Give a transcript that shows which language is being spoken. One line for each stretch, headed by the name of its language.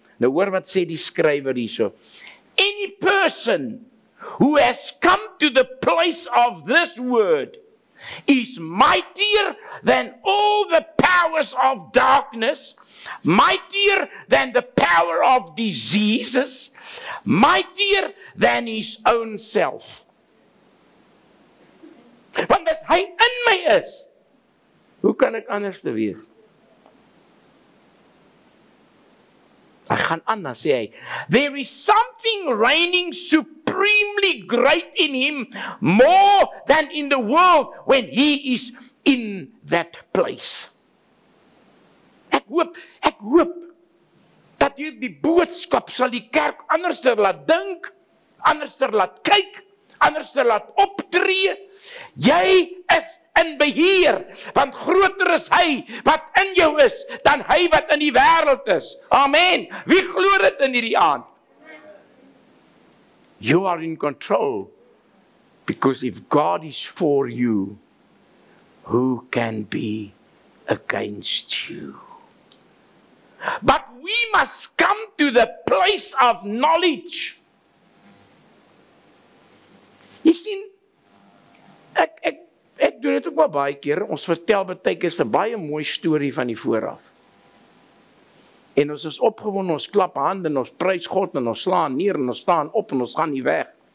Afrikaans: Nou hoor wat sê die skrywer hierso.
English: Any person who has come to the place of this word is mightier than all the powers of darkness, mightier than the power of diseases, mightier than his own self.
Afrikaans: Want as hy in my is, hoe kan ek anders te wees? Hy gaan aan, dan sê hy,
English: there is something reigning supremely great in him, more than in the world, when he is in that place.
Afrikaans: Ek hoop, dat jy die boodskap sal die kerk anders te laat dink, anders te laat kyk, anders te laat optree. Jy is in beheer, want groter is hy wat in jou is, dan hy wat in die wêreld is. Amen. Wie glo dit in hierdie aand?
English: You are in control, because if God is for you, who can be against you? But we must come to the place of knowledge.
Afrikaans: Jy sien, ek doen dit ook maar baie keer, ons vertel betekens 'n baie mooi story van die vooraf. En ons is opgewonde, ons klap hande en ons prys God en ons slaan neer en ons staan op en ons gaan nie weg.